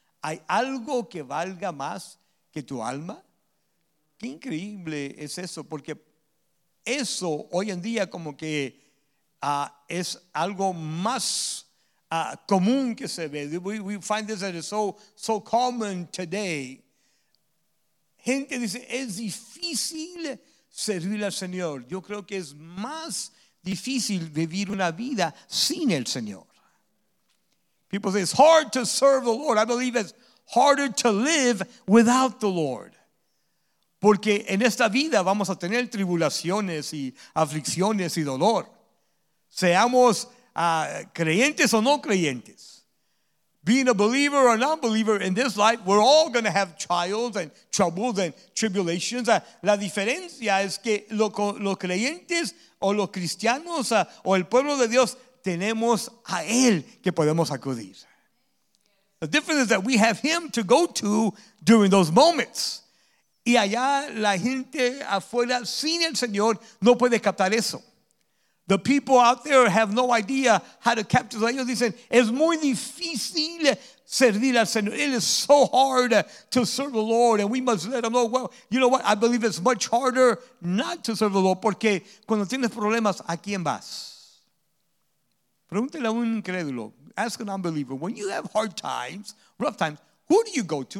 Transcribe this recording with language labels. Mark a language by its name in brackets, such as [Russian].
[Spanish] ¿Hay algo que valga más que tu alma? Qué increíble es eso, porque eso hoy en día como que es algo más común que se ve. [English] We find this that is so common today. [Spanish] Gente dice, es difícil servir al Señor. Yo creo que es más difícil vivir una vida sin el Señor. [English] People say it's hard to serve the Lord. I believe it's harder to live without the Lord. [Spanish] Porque en esta vida vamos a tener tribulaciones y aflicciones y dolor. Seamos creyentes o no creyentes. [English] Being a believer or non-believer in this life, we're all going to have trials and troubles and tribulations. [Spanish] La diferencia es que los creyentes o los cristianos o el pueblo de Dios tenemos a Él que podemos acudir. [English] The difference is that we have Him to go to during those moments. [Spanish] Y allá la gente afuera sin el Señor no puede captar eso. [English] The people out there have no idea how to capture. [Spanish] Ellos dicen, es muy difícil servir al Señor. [English] It is so hard to serve the Lord, and we must let them know. Well, you know what? I believe it's much harder not to serve the Lord, [Spanish] porque cuando tienes problemas, ¿a quién vas? Pregúntale a un incrédulo. [English] Ask an unbeliever. When you have hard times, rough times, who do you go to?